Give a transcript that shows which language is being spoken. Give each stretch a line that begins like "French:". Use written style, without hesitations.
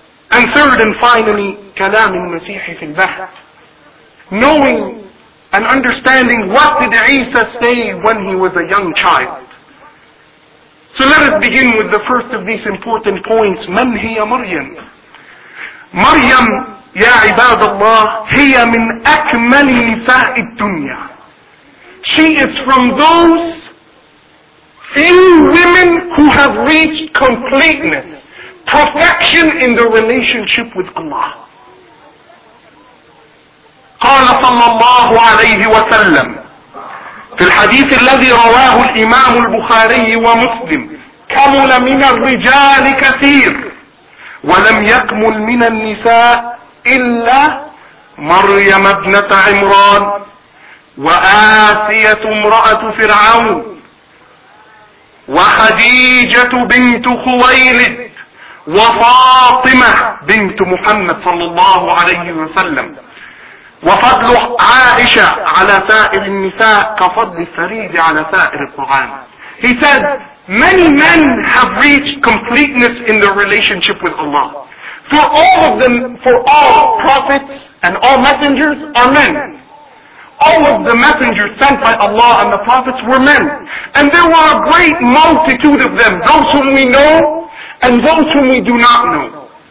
English: And third and finally,
Arabic: كَلَامِ الْمَسِيحِ فِي الْبَحْثِ,
English: knowing and understanding what did Isa say when he was a young child. So let us begin with the first of these important points,
Arabic: مَنْ هِيَ مَرْيَمْ?
English: Maryam,
Arabic: يَا عِبَادَ اللَّهِ هِيَ مِنْ أَكْمَلِ نِسَاءِ الدُّنْيَا.
English: She is from those few women who have reached completeness, perfection in the relationship with Allah.
Arabic: قال صلى الله عليه وسلم في الحديث الذي رواه الإمام البخاري ومسلم كمل من الرجال كثير ولم يكمل من النساء إلا مريم ابنة عمران وآسية امرأة فرعون وخديجة بنت خويلد وفاطمة بنت محمد صلى الله عليه وسلم وفضل عائشة على سائر النساء كفضل الفريد على سائر القرآن.
English: He said, many men have reached completeness in their relationship with Allah. For all of them, for all prophets and all messengers are men. All of the messengers sent by Allah and the prophets were men. And there were a great multitude of them, those whom we know and those whom we do not know.